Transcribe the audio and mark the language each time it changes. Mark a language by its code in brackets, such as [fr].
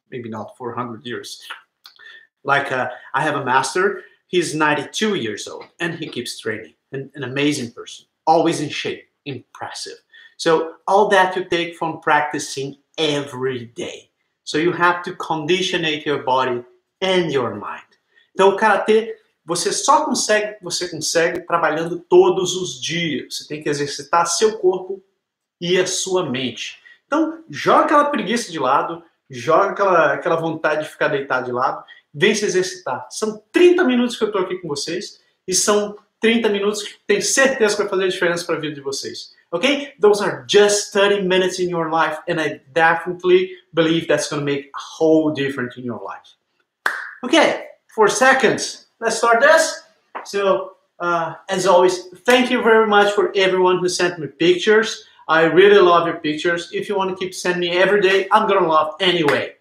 [en] Maybe not 400 years. Like, I have a master. He's 92 years old and he keeps training. An amazing person, always in shape, impressive. So all that you take from practicing every day. So you have to conditionate your body and your mind. [pt] Então o karatê, você consegue trabalhando todos os dias. Você tem que exercitar seu corpo e a sua mente. Então joga aquela preguiça de lado, joga aquela vontade de ficar deitado de lado. Vem se exercitar. São 30 minutos que eu estou aqui com vocês. E são 30 minutos que tenho certeza que vai fazer a diferença para a vida de vocês. [en] Ok? Those are just 30 minutes in your life. And I definitely believe that's going to make a whole difference in your life. Ok. 4 seconds. Let's start this. So, as always, thank you very much for everyone who sent me pictures. I really love your pictures. If you want to keep sending me every day, I'm going to love anyway.